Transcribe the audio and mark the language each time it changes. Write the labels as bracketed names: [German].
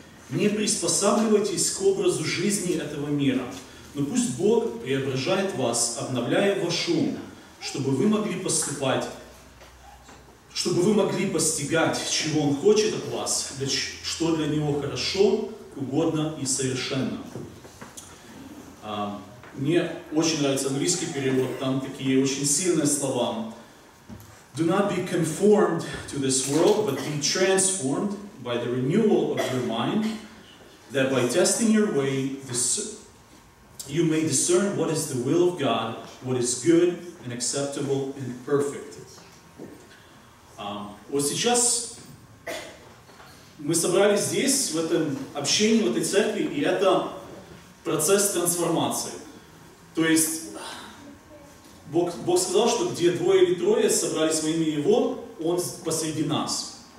[Russian] «Не приспосабливайтесь к образу жизни этого мира, но пусть Бог преображает вас, обновляя ваш ум, чтобы вы могли поступать, чтобы вы могли постигать, чего Он хочет от вас, что для Него хорошо, угодно и совершенно». Мне очень нравится английский перевод, там такие очень сильные слова. [English] «Do not be conformed to this world, but be transformed by the renewal of your mind, that by testing your way, you may discern what is the will of God, what is good and acceptable and perfect». [Russian] Вот сейчас мы собрались здесь, в этом общении, в этой церкви, и это процесс трансформации. То есть Бог сказал, что где двое или трое собрались во имя Его, Он посреди нас.